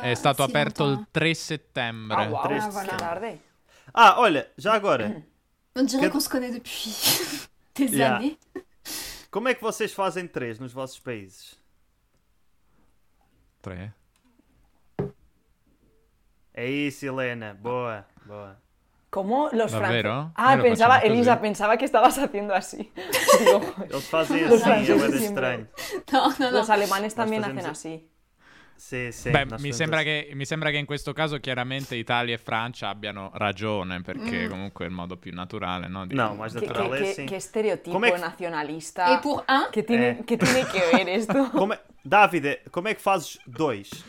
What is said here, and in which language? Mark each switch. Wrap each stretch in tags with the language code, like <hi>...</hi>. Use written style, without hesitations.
<it>É stato sì, aperto il 3 settembre. Ah, wow. 3 settembre.</it> <pt>Ah, olha, já agora.</pt> <fr>On dirait qu'on se connaît depuis des yeah. années.</fr> <pt>Como é que vocês fazem 3 nos vossos países? 3. É isso, Helena. Boa.</pt> <es>Como los franceses. Ah, pensaba, Elisa, así. Pensaba que estabas haciendo así. Los franceses siempre. Es extraño. No. Los alemanes también hacen así. Sí.</es> <it>Beh, mi sembra che in questo caso chiaramente Italia e Francia abbiano ragione, perché comunque è il modo più naturale, no? No, ma è naturale, sì. Che stereotipo è nazionalista.</it> <fr>E pour un?</fr> <it>Che tiene che vedere questo? Davide, com'è che fai 2?</it>